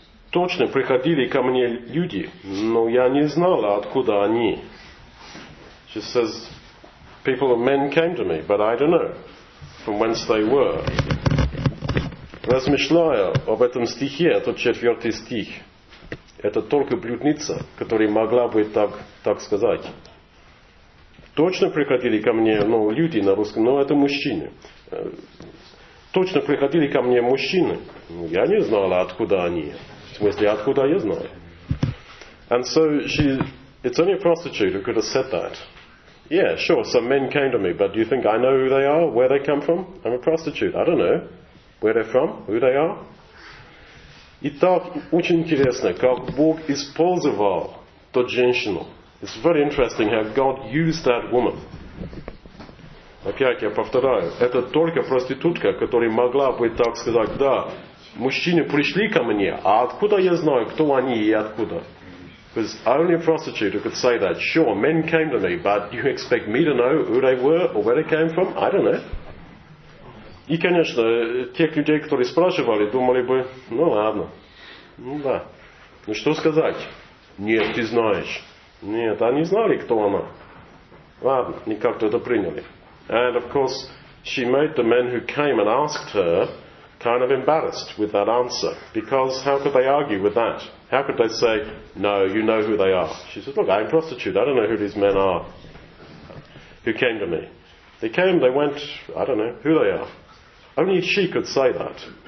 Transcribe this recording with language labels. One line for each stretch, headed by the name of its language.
Russian: Точно приходили ко мне люди, но я не знала, откуда они.
English: She says, people of men came to me, but I don't know from whence they were.
Russian: Размышляя об этом стихе, этот четвертый стих, это только блудница, которая могла бы так сказать. Точно приходили ко мне люди на русском, но это мужчины. Точно приходили ко мне мужчины. Я не знала, откуда они. В смысле, откуда я знаю.
English: And so it's only a prostitute who could have said that. Yeah, sure, some men came to me, but do you think I know who they are, where they come from? I'm a prostitute, I don't know. Where they're from, who they are.
Russian: Итак, очень интересно, как Бог использовал ту женщину.
English: It's very interesting how God used that woman.
Russian: Опять я повторяю, это только проститутка, которая могла бы так сказать, да, мужчины пришли ко мне, а откуда я знаю, кто они и откуда?
English: Because only a prostitute could say that. Sure, men came to me, but you expect me to know who they were or where they came from? I don't know.
Russian: И, конечно, тех людей, которые спрашивали, думали бы, ну ладно, ну да. Ну что сказать? Нет, ты знаешь. Нет, они знали, кто она. Ладно, они как-то это приняли.
English: And of course, she made the men who came and asked her kind of embarrassed with that answer. Because how could they argue with that? How could they say, no, you know who they are? She said, look, I'm a prostitute, I don't know who these men are who came to me. They came, they went, I don't know who they are. Only she could say that.